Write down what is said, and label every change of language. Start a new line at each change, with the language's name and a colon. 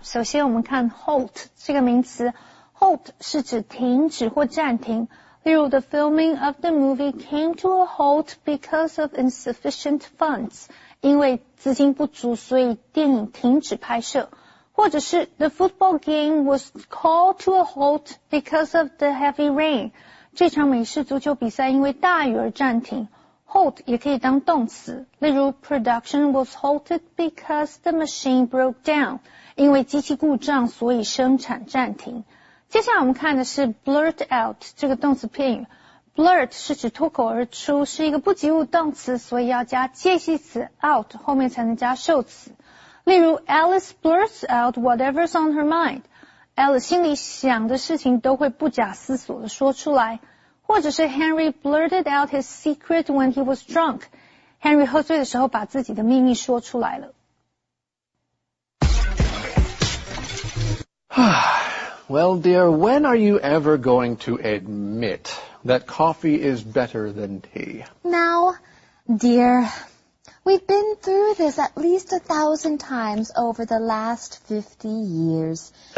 Chinese: 首先我们看 halt 这个名词。halt 是指停止或暂停。例如
English: the filming of the movie came to a halt because of insufficient funds.
Chinese: 因为资金不足所以电影停止拍摄。或者是
English: the football game was called to a halt because of the heavy rain.
Chinese: 这场美式足球比赛因为大雨而暂停。Halt 也可以当动词，例如
English: production was halted because the machine broke down,
Chinese: 因为机器故障所以生产暂停。接下来我们看的是 blurt out 这个动词片语。blurt 是指脱口而出，是一个不及物动词，所以要加介系词 out 后面才能加受词。例如
English: Alice blurts out whatever's on her mind,
Chinese: Alice 心里想的事情都会不假思索地说出来。或者是
English: Henry blurted out his secret when he was drunk.
Chinese: Henry 喝醉的时候把自己的秘密说出来了。
English: Well, dear, when are you ever going to admit that coffee is better than tea? Now, dear, we've been through this at least 1,000 times over the last 50 years.